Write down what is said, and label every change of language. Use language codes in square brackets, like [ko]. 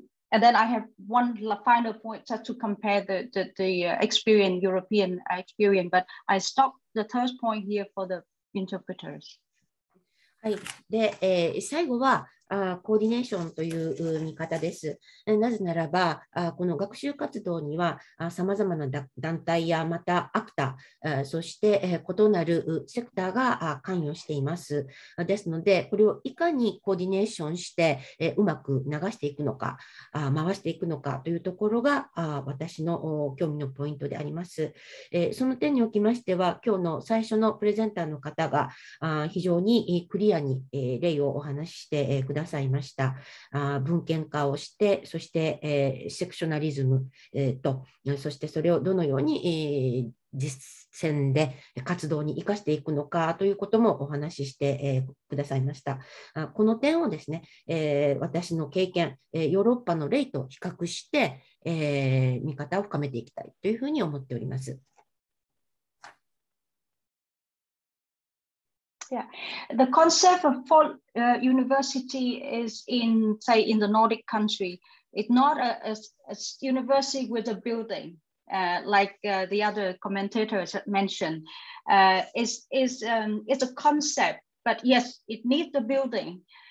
[en] And then I have one final point just to compare the Experian, European Experian, but I stop the third point here for the interpreters. [ja] はい。で、最後はコーディネーションという見方です。なぜならば、この学習活動にはさまざまな団体やまたアクター、そして異なるセクターが関与しています。ですので、これをいかにコーディネーションしてうまく流していくのか、回していくのかというところが私の興味のポイントであります。その点におきましては、今日の最初のプレゼンターの方が非常にクリアに例をお話ししてくださいました。文献化をして、そして、セクショナリズム、とそしてそれをどのように、実践で活動に生かしていくのかということもお話しして、くださいました。この点をですね、私の経験、ヨーロッパの例と比較して、見方を深めていきたいというふうに思っております。 [en] Yeah, the concept of full university is in, say, in the Nordic country. It's not a university with a building, like the other commentators mentioned. It's a concept, but yes, it needs a building.